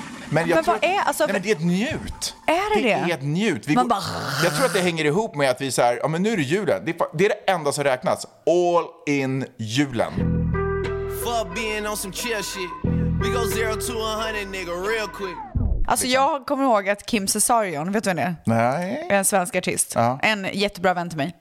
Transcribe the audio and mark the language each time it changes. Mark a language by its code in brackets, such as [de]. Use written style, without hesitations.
[sv] Men jag men det är ett njut. Är det? Det är ett njut. Vi jag tror att det hänger ihop med att vi säger, ja men nu är det julen. Det är det enda som räknas. All in julen. [en] Fuck being on some chill shit. We go 0 to 100 nigga real quick. [sv] Alltså jag kommer ihåg att Kim Cesarion, vet du vem det är? Nej. En svensk artist. Ja. En jättebra vän till mig.